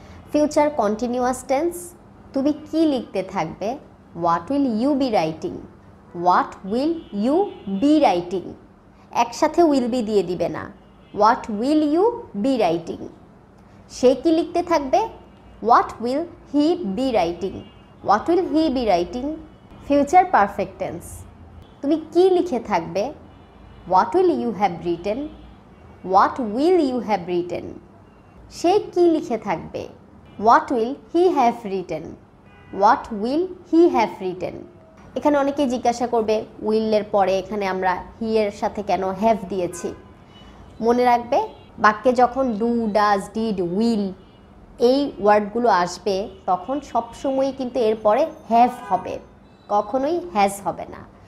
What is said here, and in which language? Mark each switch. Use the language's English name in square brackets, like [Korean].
[English] future continuous tense, [Bangla] তুমি কি লিখতে থাকবে, [English] What will you be writing, what will you be writing. [Bangla] একসাথে [English] will be [Bangla] দিয়ে দিবে না, [English] What will you be writing. [Bangla] সে কি লিখতে থাকবে, [English] What will he be writing, what will he be writing. Future perfect tense, [Bangla] তুমি কী লিখে থাকবে? [English] What will you have written? What will you have written? [Bangla] সে কী লিখে থাকবে? [English] What will he have written? What will he have written? [Bangla] এখানে অনেকেই জিজ্ঞাসা করবে, উইলের পরে এখানে আমরা হি এর সাথে কেন হ্যাভ দিয়েছি? মনে রাখবে, বাক্যে যখন ডু, ডাজ, ডিড, উইল এই ওয়ার্ডগুলো আসবে তখন সবসময় কিন্তু এর পরে হ্যাভ হবে, কখনোই হ্যাজ হবে না।